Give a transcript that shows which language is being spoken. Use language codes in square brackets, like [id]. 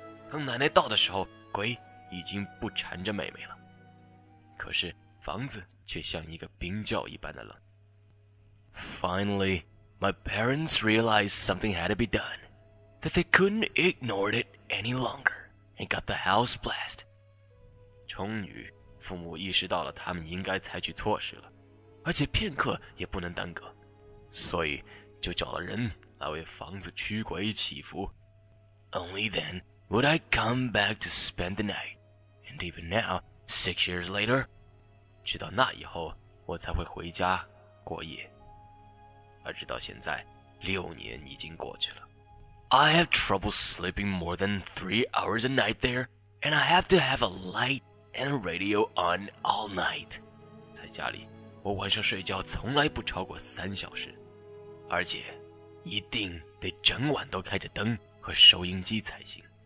[zh] 当奶奶到的时候，鬼已经不缠着妹妹了，可是房子却像一个冰窖一般的冷。 [en] Finally, my parents realized something had to be done, that they couldn't ignore it any longer, and got the house blessed. [zh] 终于，父母意识到了他们应该采取措施了，而且片刻也不能耽搁，所以就找了人来为房子驱鬼祈福。 [en] Only then would I come back to spend the night, and even now, 6 years later, [zh] 直到那以后，我才会回家过夜。而直到现在，六年已经过去了。 [en] I have trouble sleeping more than 3 hours a night there, and I have to have a light and a radio on all night. [zh] 在家里，我晚上睡觉从来不超过3小时，而且一定得整晚都开着灯和收音机才行。